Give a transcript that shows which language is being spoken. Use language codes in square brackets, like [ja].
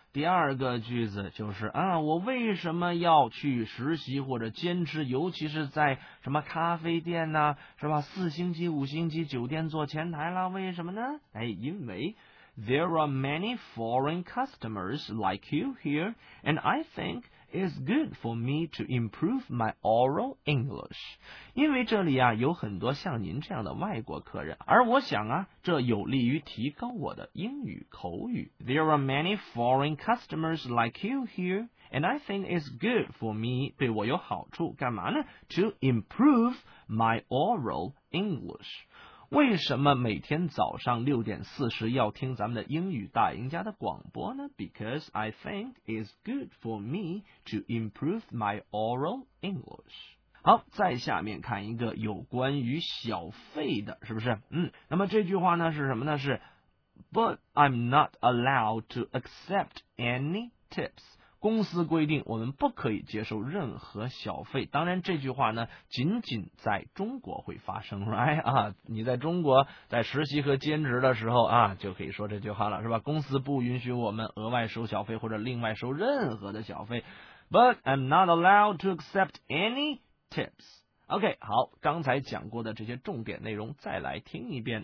[zh] 第二个句子就是啊，我为什么要去实习或者兼职，尤其是在什么咖啡店呢、啊、是吧？四星级、五星级酒店做前台啦，为什么呢？哎，因为 [en] There are many foreign customers like you here, and I think it's good for me to improve my oral English. [zh] 因为这里啊有很多像您这样的外国客人，而我想啊，这有利于提高我的英语口语。 [en] There are many foreign customers like you here, and I think it's good for me, [zh] 对我有好处，干嘛呢？ [en] To improve my oral English. [zh] 为什么每天早上6:40要听咱们的英语大赢家的广播呢 ? [en] Because I think it's good for me to improve my oral English. [zh] 好，再下面看一个有关于小费的，是不是？嗯，那么这句话呢是什么呢？是 [en] But I'm not allowed to accept any tips. [zh] 公司规定我们不可以接受任何小费，当然这句话呢仅仅在中国会发生 [en] right [zh] 啊，你在中国在实习和兼职的时候啊就可以说这句话了是吧，公司不允许我们额外收小费或者另外收任何的小费。 [en] But I'm not allowed to accept any tips. [zh] OK, 好，刚才讲过的这些重点内容再来听一遍。